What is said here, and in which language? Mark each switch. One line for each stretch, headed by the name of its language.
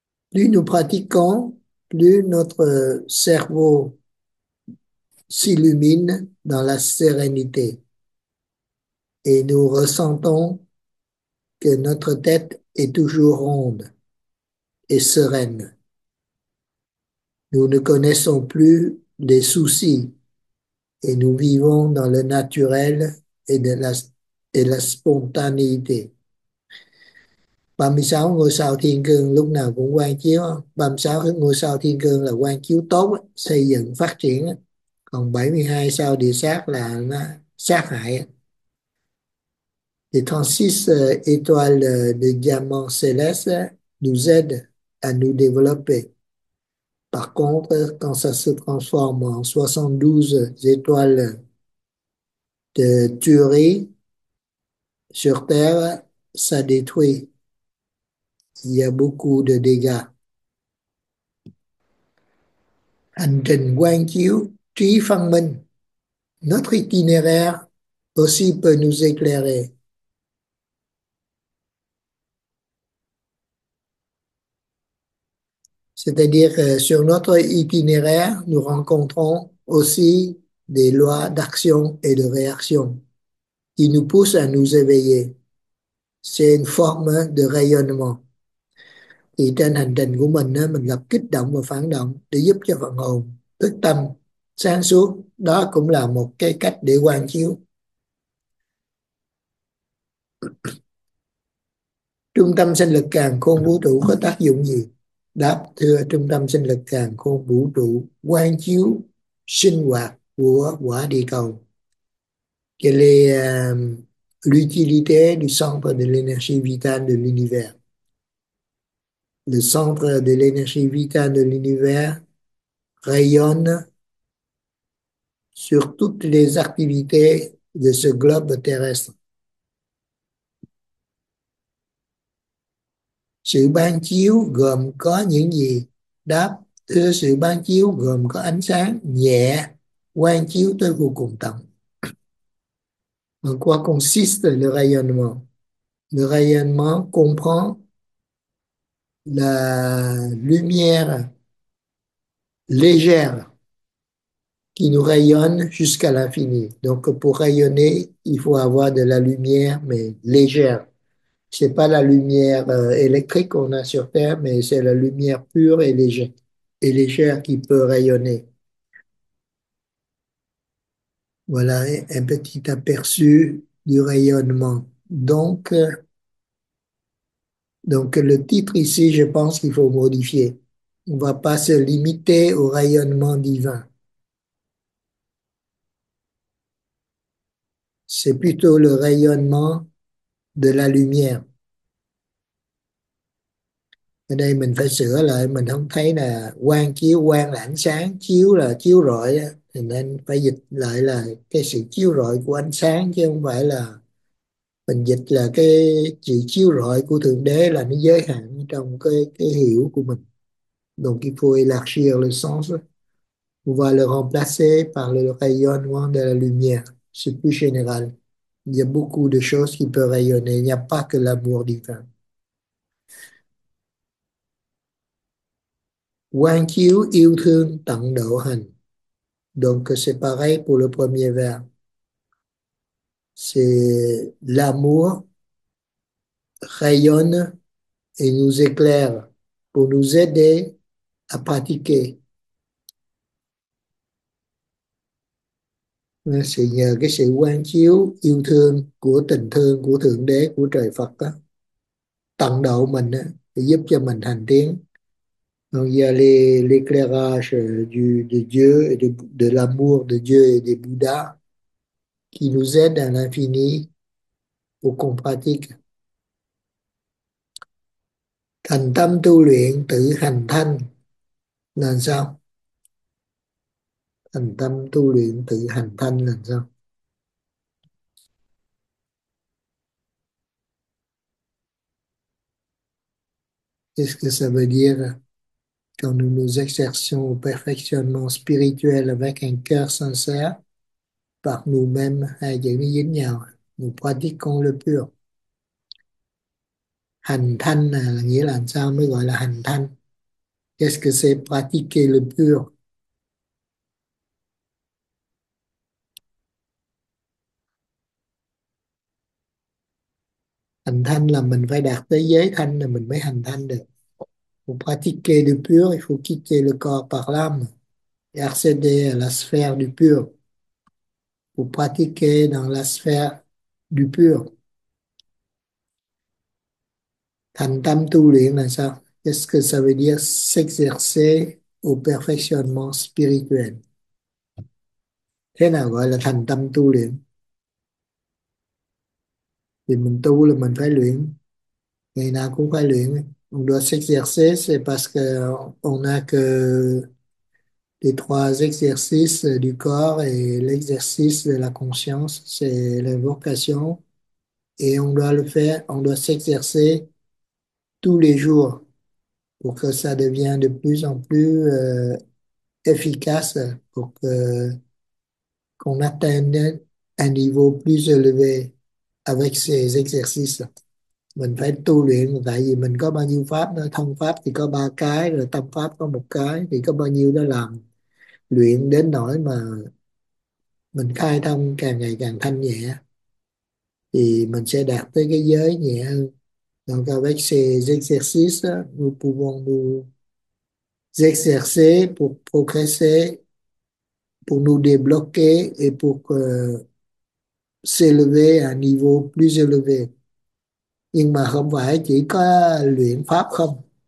French: Plus nous pratiquons, plus notre cerveau s'illumine dans la sérénité et nous ressentons que notre tête est toujours ronde et sereine. Nous ne connaissons plus les soucis et nous vivons dans le naturel et de la et la spontanéité.
Vietnamese: 36 ngôi sao thiên cương lúc nào cũng quang chiếu. 36 ngôi sao thiên cương là quang chiếu tốt, xây dựng phát triển. Còn 72 sao địa sát là nó sát hại.
French: Les 36 étoiles de diamants célestes nous aident à nous développer. Par contre, quand ça se transforme en 72 étoiles de tuerie sur Terre, ça détruit. Il y a beaucoup de dégâts. Guangqiu, Tui Fang Men, notre itinéraire aussi peut nous éclairer. C'est-à-dire que sur notre itinéraire, nous rencontrons aussi des lois d'action et de réaction qui nous poussent à nous éveiller. C'est une forme de rayonnement.
Vietnamese: Thì trên hành trình của mình á, mình gặp kích động và phản động để giúp cho phần hồn thức tâm sáng suốt, đó cũng là một cái cách để quan chiếu. Trung tâm sinh lực càn khôn vũ trụ có tác dụng gì? Đáp: thưa, trung tâm sinh lực càn khôn vũ trụ quan chiếu sinh hoạt của quả địa cầu.
French: Quelle est l'utilité du centre de l'énergie vitale de l'univers? Le centre de l'énergie vitale de l'univers rayonne sur toutes les activités de ce globe terrestre.
Vietnamese: Sự ban chiếu gồm có những gì? Đáp: thưa, sự ban chiếu gồm có ánh sáng nhẹ, quang chiếu tới vô cùng tận.
French: En quoi consiste le rayonnement? Le rayonnement comprend la lumière légère qui nous rayonne jusqu'à l'infini. Donc, pour rayonner, il faut avoir de la lumière, mais légère. Ce n'est pas la lumière électrique qu'on a sur Terre, mais c'est la lumière pure et légère, qui peut rayonner. Voilà un petit aperçu du rayonnement. Donc, le titre ici, je pense qu'il faut modifier. On ne va pas se limiter au rayonnement divin. C'est plutôt le rayonnement de la lumière.
Vietnamese: Ở đây mình phải sửa lại, mình không thấy là quang chiếu, quang là ánh sáng, chiếu là chiếu rọi, thì nên phải dịch lại là cái sự chiếu rọi của ánh sáng, chứ không phải là mình dịch là cái sự chiếu rọi của Thượng Đế, là nó giới hạn trong cái hiểu của mình.
French: Donc il faut élargir le sens, on va le remplacer par le rayonnement de la lumière, c'est plus général. Il y a beaucoup de choses qui peuvent rayonner, il n'y a pas que l'amour divin.
Vietnamese: Quang chiếu yêu thương tận độ hành.
French: Donc c'est pareil pour le premier verbe. C'est l'amour rayonne et nous éclaire pour nous aider à pratiquer. C'est
Vietnamese: nhờ cái sự quang chiếu yêu thương của tình thương của Thượng Đế, của Trời Phật đó, tận độ mình đó, để giúp cho mình hành tiến.
French: Donc, il y a l'éclairage de Dieu et de l'amour de Dieu et des Bouddhas qui nous aident à l'infini pour qu'on pratique.
Vietnamese: Thành tâm tu luyện, tự hành thanh. Làm sao? Thành tâm tu luyện, tự hành thanh làm sao?
French: Qu'est-ce que ça veut dire? Quand nous nous exerçons au perfectionnement spirituel avec un cœur sincère, par nous-mêmes,
Vietnamese: hay chữ dính nhau,
French: nous pratiquons le pur.
Vietnamese: Hành thanh là nghĩa là làm sao mới gọi là hành thanh?
French: Qu'est-ce que c'est pratiquer le pur?
Vietnamese: Hành thanh là mình phải đạt tới giới thanh là mình mới hành thanh được.
French: Pour pratiquer le pur, il faut quitter le corps par l'âme et accéder à la sphère du pur. Pour pratiquer dans la sphère du pur.
Vietnamese: Thành tâm tu luyện là
French: ça. Qu'est-ce que ça veut dire s'exercer au perfectionnement spirituel?
Vietnamese: Thế nào gọi là thành tâm tu luyện? Thì mình tu là mình phải luyện, ngày nào cũng phải luyện.
French: On doit s'exercer, c'est parce qu'on a que les trois exercices du corps et l'exercice de la conscience, c'est la vocation. Et on doit le faire, on doit s'exercer tous les jours pour que ça devienne de plus en plus efficace, pour que qu'on atteigne un niveau plus élevé avec ces exercices.
Vietnamese: Mình phải tu luyện, tại vì mình có bao nhiêu pháp nữa, thân pháp thì có ba cái, rồi tâm pháp có một cái, thì có bao nhiêu đó làm luyện đến nỗi mà mình khai thông càng ngày càng thanh nhẹ thì mình sẽ đạt tới cái giới nhẹ hơn.
French: Donc avec ces exercices, nous pouvons nous exercer pour progresser, pour nous débloquer et pour s'élever à un niveau plus élevé.
Vietnamese: Nhưng mà không phải chỉ có luyện pháp không.